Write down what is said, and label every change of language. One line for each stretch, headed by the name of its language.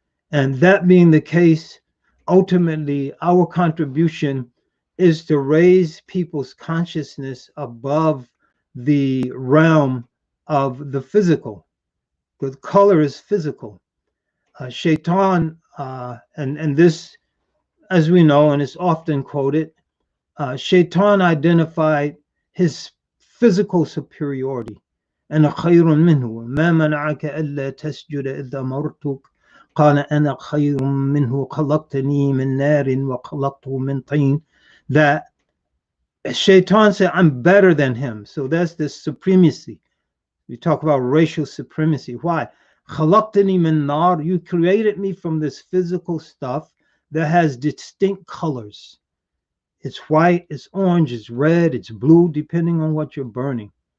English: And that being the case, ultimately, our contribution is to raise people's consciousness above the realm of the physical, because color is physical. Shaitan, and this, as we know, and it's often quoted, Shaitan identified his physical superiority.
Arabic: أنا خير منه ما منعك إلا تسجد إذا مرتك قال أنا خير منه خلقتني من نار وخلقته من طين.
English: That Shaitan said, I'm better than him. So that's the supremacy. We talk about racial supremacy. Why?
Arabic: خلقتني من نار.
English: You created me from this physical stuff that has distinct colors. It's white, it's orange, it's red, it's blue, depending on what you're burning.